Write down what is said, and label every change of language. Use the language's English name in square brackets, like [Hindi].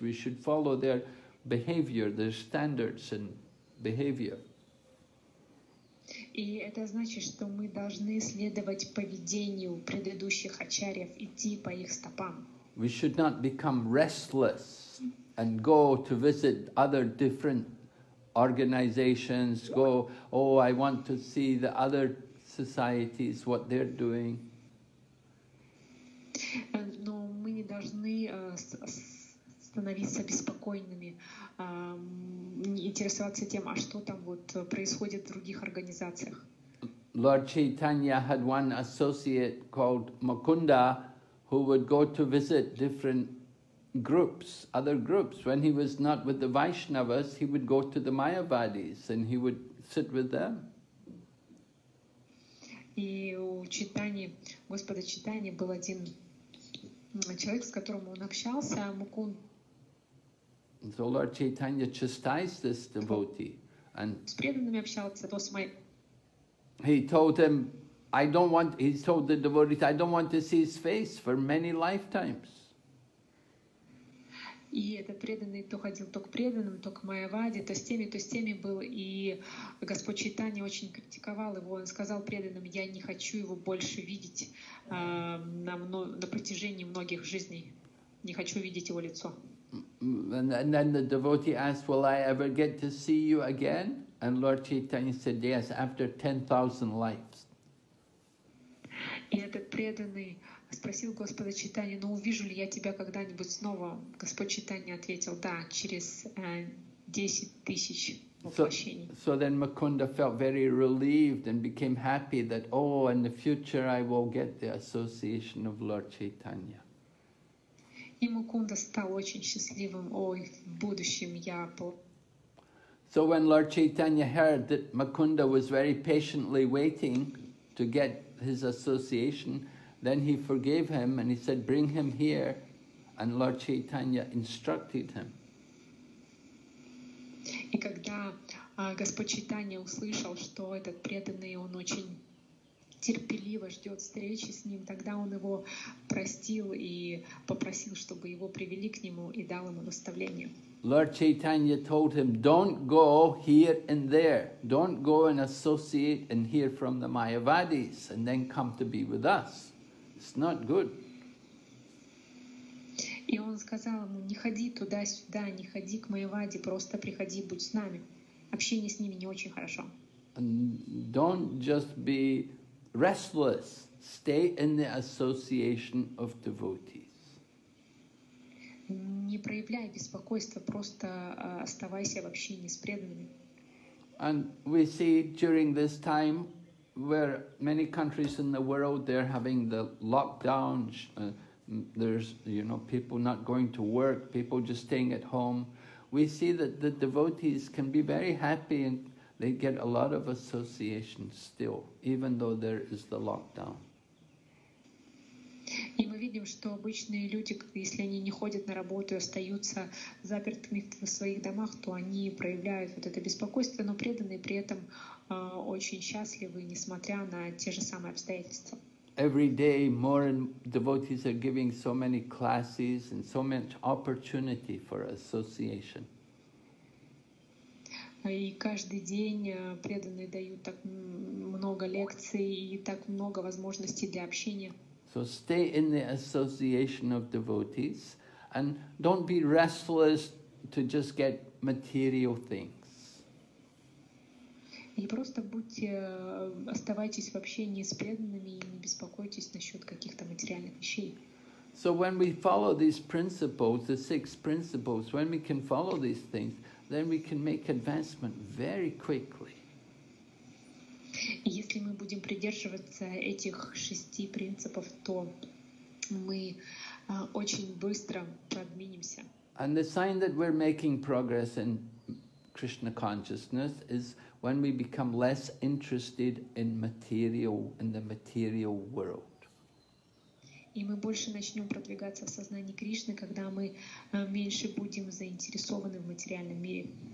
[English] We should follow their behavior, their standards and behavior. [Russian] И это значит, что мы должны следовать поведению предыдущих ачарьев, идти по их стопам. [English] We should not become restless and go to visit other different organizations. Go, oh, I want to see the other societies, what they're doing. [Russian] Но мы не должны становиться беспокойными, интересоваться тем, а что там вот происходит в других организациях. [English] Lord Chaitanya had one associate called Mukunda, who would go to visit different groups, other groups. When he was not with the Vaishnavas, he would go to the Mayavadis and he would sit with them. [Russian] И у Чайтаньи, Господа Чайтаньи, был один человек, с которым он общался, Мукун. [English] So Lord Chaitanya chastised this devotee and [Russian] с преданными общался, то с моим. [English] He told him, I don't want, he told the devotees, I don't want to see his face for many lifetimes. [Russian] И этот преданный то ходил то к преданным, то к Майаваде, то с теми был. И Господь Чайтанья очень критиковал его. Он сказал преданным, я не хочу его больше видеть на протяжении многих жизней. Не хочу видеть его лицо. [English] And then the devotee asked, will I ever get to see you again? And Lord Chaitanya said, yes, after 10,000 lives. [Russian] И этот преданный спросил Господа Чайтанью, ну увижу ли я тебя когда-нибудь снова? Господь Чайтанья ответил, да, через 10,000 воплощений. [English] So then Mukunda felt very relieved and became happy that, oh, in the future I will get the association of Lord Chaitanya. [Russian] И Мукунда стал очень счастливым, ой, в будущем я был. [English] So when Lord Chaitanya heard that Mukunda was very patiently waiting to get his association, then he forgave him and he said, bring him here, and Lord Chaitanya instructed him. [Russian] И когда Господь Чайтанья услышал, что этот преданный, он очень терпеливо ждет встречи с ним, тогда он его простил и попросил, чтобы его привели к нему и дал ему наставление. [English] Lord Chaitanya told him, don't go here and there. Don't go and associate and hear from the Mayavadis and then come to be with us. It's not good. [Russian] И он сказал ему, не ходи туда-сюда, не ходи к Майаваде, просто приходи, будь с нами. Общение с ними не очень хорошо. [English] And don't just be restless. Stay in the association of devotees. [Russian] Не проявляй беспокойства, просто оставайся в общении с преданными. [English] And we see during this time, where many countries in the world, they're having the lockdown, there's, you know, people not going to work, people just staying at home. We see that the devotees can be very happy and they get a lot of association still, even though there is the lockdown. [Russian] И мы видим, что обычные люди, если они не ходят на работу и остаются запертыми в своих домах, то они проявляют вот это беспокойство, но преданные при этом очень счастливы, несмотря на те же самые обстоятельства. [English] Every day more devotees are giving so many classes and so much opportunity for association. [Russian] И каждый день преданные дают так много лекций и так много возможностей для общения. [English] So stay in the association of devotees and don't be restless to just get material things. [Russian] И просто будьте, оставайтесь в общении с преданными и не беспокойтесь насчет каких-то материальных вещей. [English] So when we follow these principles, the six principles, when we can follow these things, then we can make advancement very quickly. [Russian] Если мы будем придерживаться этих шести принципов, то мы очень быстро продвинемся. [English] And the sign that we're making progress in Krishna consciousness is when we become less interested in material, in the material world. [Russian] И мы больше начнем продвигаться в сознании Кришны, когда мы меньше будем заинтересованы в материальном мире.